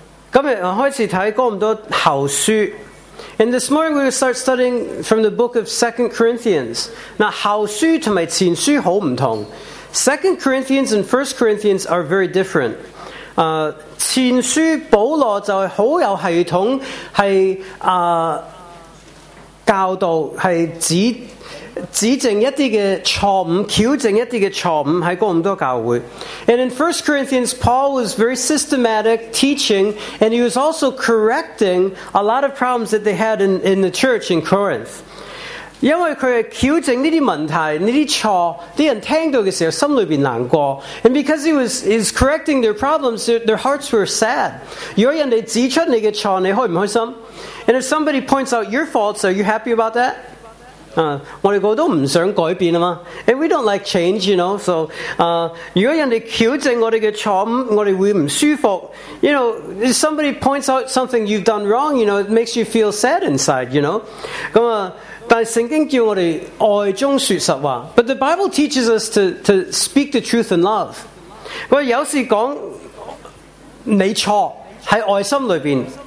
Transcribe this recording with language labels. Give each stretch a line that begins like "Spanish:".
Cantonese: 今日开始睇哥林多后书。
English: And this morning we will start studying from the book of 2 Corinthians.
Cantonese: 那后书同埋前书好唔同。
English: 2 Corinthians and 1 Corinthians are very different.
Cantonese: 前书保罗就系好有系统，系教导，系指正一啲嘅错误，矫正一啲嘅错误喺哥林多教会。
English: And in 1 Corinthians, Paul was very systematic teaching, and he was also correcting a lot of problems that they had in the church in Corinth.
Cantonese: 因为佢系矫正呢啲问题，呢啲错，啲人听到嘅时候心里边难过。
English: And because he's correcting their problems, their hearts were sad.
Cantonese: 如果人哋指出你嘅错，你开唔开心
English: ？And if somebody points out your faults, are you happy about that？
Cantonese: 我哋个都唔想改变啊嘛
English: ，and we don't like change, you know.
Cantonese: So, 如果人哋矫正我哋嘅错误，我哋会唔舒服。
English: You know, if somebody points out something you've done wrong, you know, it makes you feel sad inside, you know.
Cantonese: 咁啊，但系圣经叫我哋爱中说实话。
English: But the Bible teaches us to speak the truth in love.
Cantonese: 我有时讲你错喺爱心里边。